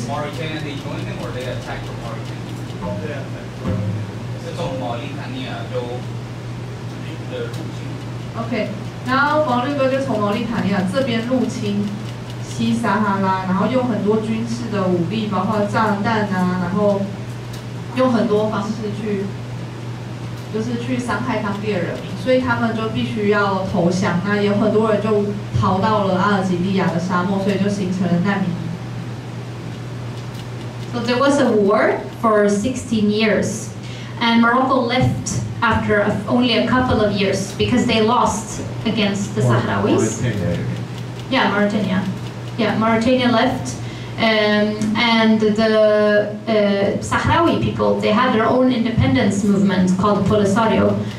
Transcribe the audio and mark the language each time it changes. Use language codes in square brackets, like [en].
[en] Mauritania they joined them or they attacked from Mauritania? [zh] 从毛利塔尼亚就的入侵。OK， 然后毛利哥就从毛利塔尼亚这边入侵西撒哈拉，然后用很多军事的武力，包括炸弹啊，然后。用很多方式去，就是去伤害当地的人民，所以他们就必须要投降。那有很多人就逃到了阿尔及利亚的沙漠，所以就形成了难民。 [en] So there was a war for 16 years, and Morocco left after only a couple of years because they lost against the Sahrawis. Mauritania left. And the Sahrawi people, they had their own independence movement called Polisario.